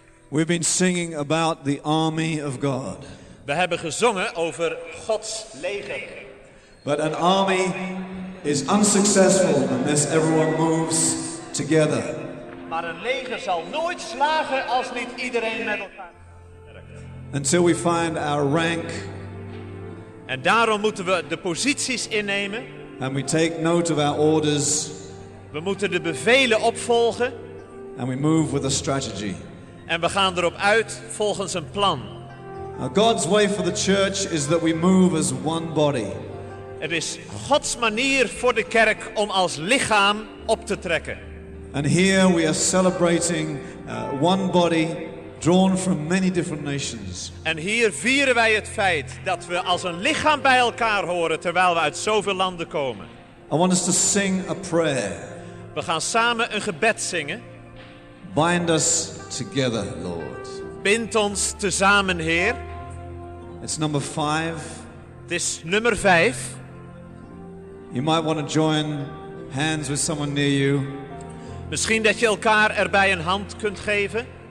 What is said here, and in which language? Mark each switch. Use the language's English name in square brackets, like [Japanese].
[English] We've been singing about the army of God. [Dutch] We hebben gezongen over Gods leger. [English] But an army is unsuccessful unless everyone moves together. [Dutch] Maar een leger zal nooit slagen als niet iedereen met elkaar. [English] Until we find our rank. [Dutch] En daarom moeten we de posities innemen. [English] And we take note of our orders. [Dutch] We moeten de bevelen opvolgen. [English] And we move with a strategy. [Dutch] En we gaan erop uit volgens een plan. [English] Now God's way for the church is that we move as one body. [Dutch] Het is Gods manier voor de kerk om als lichaam op te trekken. [English] And here we are celebrating one body drawn from many different nations. [Dutch] En hier vieren wij het feit dat we als een lichaam bij elkaar horen terwijl we uit zoveel landen komen. [English] I want us to sing a prayer. [Dutch] We gaan samen een gebed zingen. [English] Bind us together, Lord. [Dutch] Bind ons tezamen, Heer. [English] It's number 5. [Dutch] Het is nummer 5. [English] You might want to join hands with someone near you. [Dutch] Misschien dat je elkaar erbij een hand kunt geven.